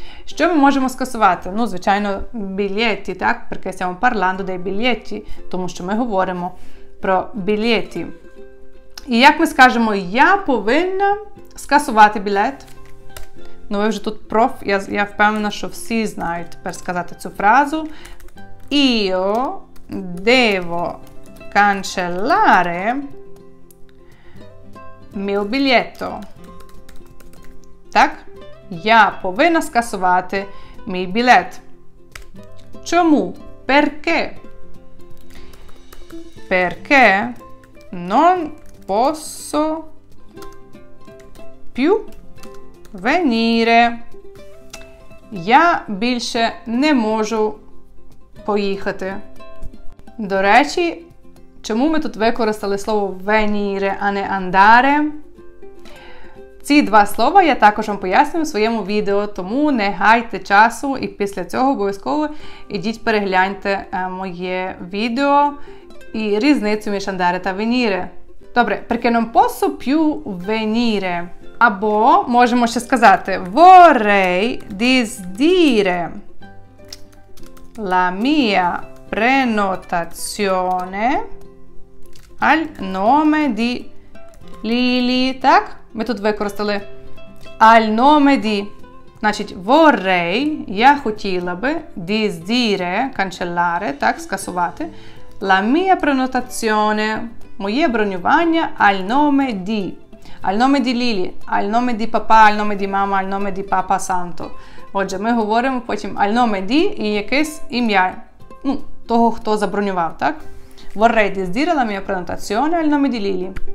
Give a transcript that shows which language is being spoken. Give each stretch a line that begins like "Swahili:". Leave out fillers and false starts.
Ukrainian: Що ми можемо скасувати? Ну, звичайно, білєті, так?
Italian: Perché stiamo parlando dei biglietti,
Ukrainian: тому що ми говоримо про білєті. І як ми скажемо, я повинна скасувати білет? Ну, ви вже тут проф, я впевнена, що всі знають тепер сказати цю фразу.
Italian: Io devo cancellare mio biglietto.
Ukrainian: Так? Я повинна скасувати мій білет. Чому?
Italian: Perché? Perché non posso più venire.
Ukrainian: Я більше не можу поїхати. До речі, чому ми тут використали слово «venire», а не «andare»? Ці два слова я також вам пояснюю в своєму відео, тому не гайте часу і після цього обов'язково ідіть перегляньте моє відео і різницю між «andare» та «venire».
Italian: Добре, «perché non posso più venire» або можемо ще сказати «vorrei disdire la mia prenotazione al nome di Lili», так?
Ukrainian: Ми тут використали
Italian: al nome di, значить vorrei,
Ukrainian: я хотіла би
Italian: disdire, cancellare, так, скасувати la mia prenotazione,
Ukrainian: моє бронювання
Italian: al nome di Lili, al nome di papà, al nome di мама, al nome di papà santo.
Ukrainian: Отже, ми говоримо потім
Italian: al nome di
Ukrainian: і якесь ім'я, ну, того, хто забронював, так?
Italian: Vorrei disdire la mia prenotazione al nome di Lili.